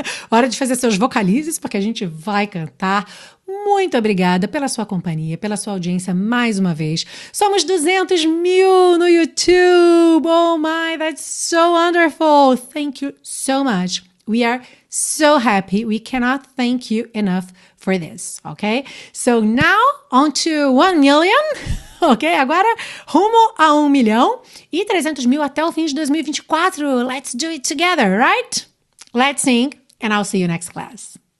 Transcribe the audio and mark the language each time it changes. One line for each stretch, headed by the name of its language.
Portuguese: Hora de fazer seus vocalizes, porque a gente vai cantar. Muito obrigada pela sua companhia, pela sua audiência mais uma vez. Somos 200 mil no YouTube!
English: Oh my, that's so wonderful! Thank you so much! We are so happy. We cannot thank you enough for this, okay? So now, on to 1 million, okay?
Portuguese: Agora, rumo a 1 milhão e 300 mil até o fim de 2024.
English: Let's do it together, right? Let's sing, and I'll see you next class.